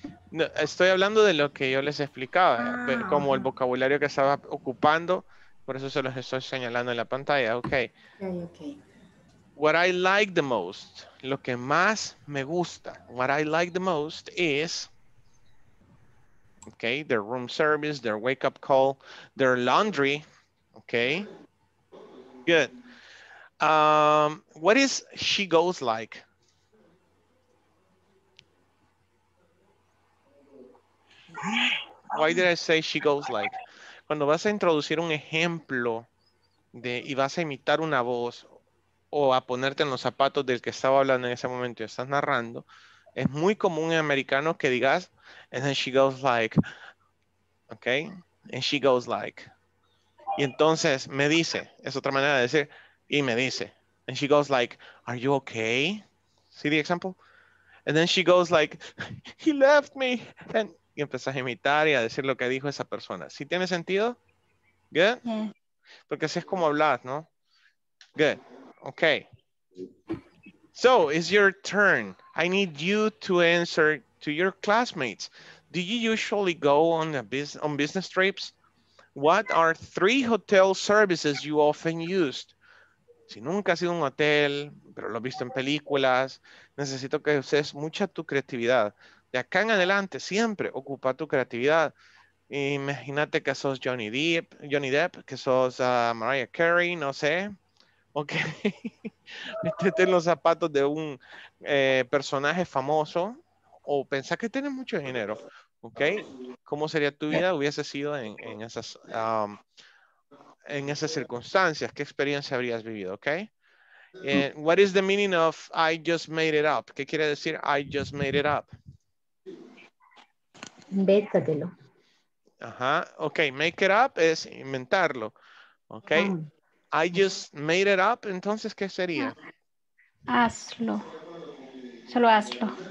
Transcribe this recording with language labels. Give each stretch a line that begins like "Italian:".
Spanish: No, estoy hablando de lo que yo les explicaba, como el vocabulario que estaba ocupando, por eso se los estoy señalando en la pantalla, okay.
English: Okay. What I like the most,
Spanish: lo que más me gusta,
English: what I like the most is, okay, their room service, their wake up call, their laundry, okay, good. What is she goes like?
Spanish: Why did I say she goes like? Cuando vas a introducir un ejemplo de y vas a imitar una voz o a ponerte en los zapatos del que estaba hablando en ese momento y estás narrando, es muy común en americano que digas
English: and then she goes like, okay? And she goes like.
Spanish: Y entonces me dice, es otra manera de decir y me dice.
English: And she goes like, are you okay? See the example? And then she goes like, he left me.
Spanish: And y empezas a imitar y a decir lo que dijo esa persona. ¿Sí tiene sentido? Good?
English: Yeah.
Spanish: Porque así es como hablas, ¿no? Good. Okay.
English: So, it's your turn. I need you to answer to your classmates. Do you usually go on business trips? What are three hotel services you often used?
Spanish: Si nunca has ido a un hotel, pero lo has visto en películas, necesito que uses mucha tu creatividad. De acá en adelante, siempre ocupa tu creatividad. Imagínate que sos Johnny Depp, que sos Mariah Carey, no sé. Ok. Métete en los zapatos de un personaje famoso o pensá que tienes mucho dinero. Ok. ¿Cómo sería tu vida? Hubiese sido en esas circunstancias, ¿qué experiencia habrías vivido?
English: Okay. What is the meaning of I just made it up?
Spanish: ¿Qué quiere decir
English: I just made it up?
Spanish: Invéntatelo. Ajá. Okay.
English: Make it up
Spanish: es inventarlo. Okay.
English: I just made it up.
Spanish: Entonces, ¿qué sería? Hazlo. Solo hazlo.